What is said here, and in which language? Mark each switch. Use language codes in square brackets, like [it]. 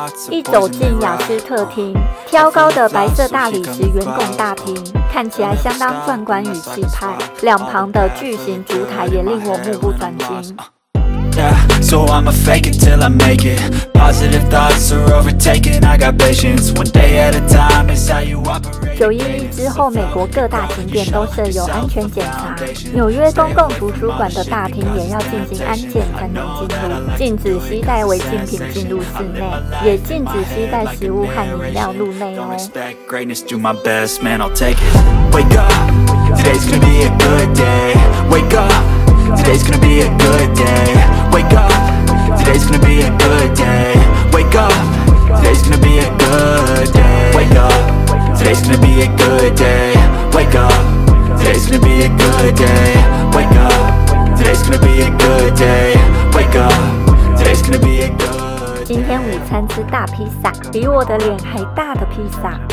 [zh] 一走进雅斯特厅，挑高的白色大理石圆拱大厅看起来相当壮观与气派，两旁的巨型烛台也令我目不转睛。 [en] Yeah, so I'ma fake it till I make it. Positive thoughts are overtaken. I got patience. One day at a time is how you operate. [zh] 9/11之后，美国各大景点都设有安全检查。纽约公共图书馆的大厅也要进行安检才能进入，禁止携带违禁品进入室内，也禁止携带食物和饮料入内哦。 [en] Greatness, do my best, man. I'll take it. Wake up, today's gonna be a good day. Wake up. Today's gonna be a good day. Wake up. Today's gonna be a good day. Wake up. Today's gonna be a good day. Wake up. Today's gonna be a good day. Wake up. Today's gonna be a good day. Wake up. Today's gonna be a good day. today's gonna be a good day. Wake up, today's gonna be a good day. [zh] 今天午餐吃大披萨，比我的脸还大的披萨。